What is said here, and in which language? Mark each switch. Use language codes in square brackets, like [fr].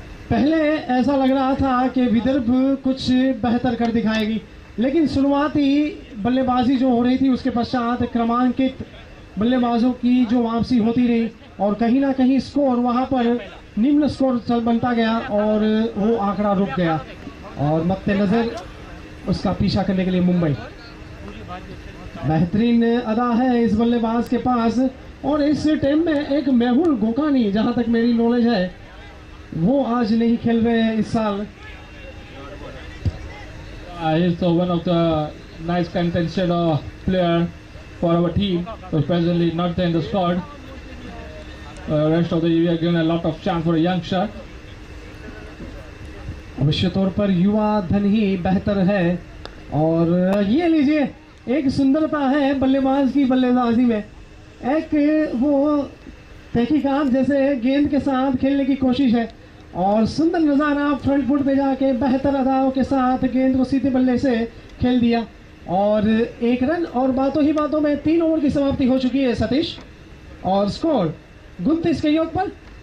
[hi] पहले ऐसा लग रहा था कि विदर्भ कुछ बेहतर कर दिखाएगी, लेकिन शुरुआती बल्लेबाजी जो हो रही थी उसके पश्चात क्रमांकित बल्लेबाजों की जो वापसी होती रही और कहीं ना कहीं स्कोर वहां पर निम्न स्कोर चल बनता गया और वो आंकड़ा रुक गया और मद्देनजर उसका पीछा करने के लिए मुंबई बेहतरीन अदा है इस बल्लेबाज के पास। और इस टीम में एक मेहुल गोकानी, जहां तक मेरी नॉलेज है, वो आज नहीं खेल रहे हैं इस साल। [en] He is one of the nice contention player for our team, especially not there in the squad. Rest of the year, we are given a lot of chance for a young shot. [hi] अवश्य तौर पर युवा धन ही बेहतर है और ये लीजिए एक सुंदरता है बल्लेबाज की बल्लेबाजी में, एक वो तहकीकात जैसे गेंद के साथ खेलने की कोशिश है और सुंदर नजारा फ्रंट फुट पे जाके बेहतर अदाओं के साथ गेंद को सीधे बल्ले से खेल दिया और एक रन, और बातों ही बातों में तीन ओवर की समाप्ति हो चुकी है सतीश, और स्कोर 29 के योग पर।